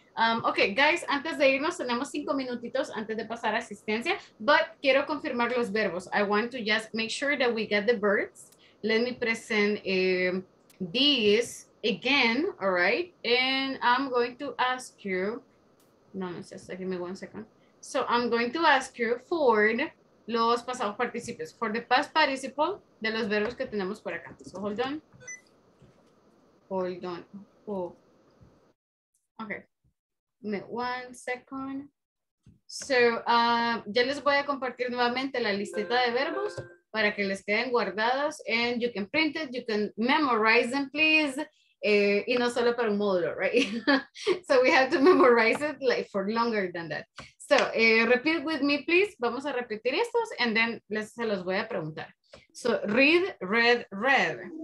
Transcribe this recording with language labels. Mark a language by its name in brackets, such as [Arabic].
[English] Okay, guys, [Spanish] antes de irnos, tenemos 5 minutitos antes de pasar asistencia. But quiero confirmar los verbos. [English] I want to just make sure that we get the verbs. Let me present these again, all right? And I'm going to ask you, give me 1 second. So I'm going to ask you for [Spanish] los pasados participios, [English] for the past participle [Spanish] de los verbos que tenemos por acá. [English] So hold on. Oh. Okay. Give me 1 second. [Spanish] So, ya les voy a compartir nuevamente la listita de verbos para que les queden guardadas. [English] And you can print it, you can memorize them, please. [Spanish] Y no solo para un módulo, [English] right? So we have to memorize it like for longer than that. So, repeat with me, please. [Spanish] Vamos a repetir estos [English] and then [Spanish] se los voy a preguntar. [English] So, read, read, read.